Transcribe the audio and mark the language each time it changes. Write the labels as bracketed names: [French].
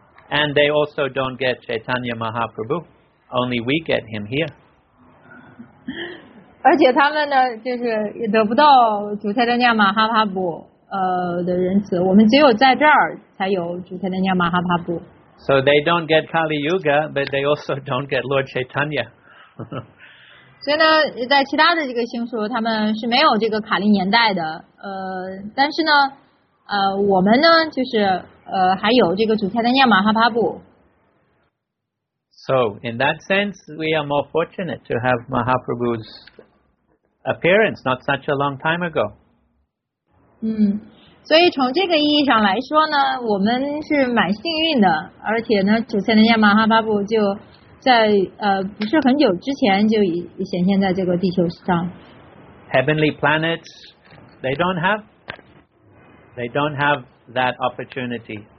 [English] And they also don't get Chaitanya Mahaprabhu, only we get him here. [Chinese] 而且他们呢，就是也得不到主菜的亚马哈帕布。的仁慈，我们只有在这儿才有主菜丹尼亚马哈帕布。 [English] So they don't get Kali Yuga, but they also don't get Lord Chaitanya. [Chinese] 所以呢，在其他的这个星宿，他们是没有这个卡利年代的。但是呢，我们呢，就是还有这个主菜单亚马哈帕布。 [English] So in that sense, we are more fortunate to have Mahaprabhu's appearance not such a long time ago. [Chinese] 所以从这个意义上来说呢，我们是蛮幸运的，而且呢，主菜单亚马哈帕布就在不是很久之前就已显现在这个地球上。 [English] Heavenly planets, they don't have that opportunity.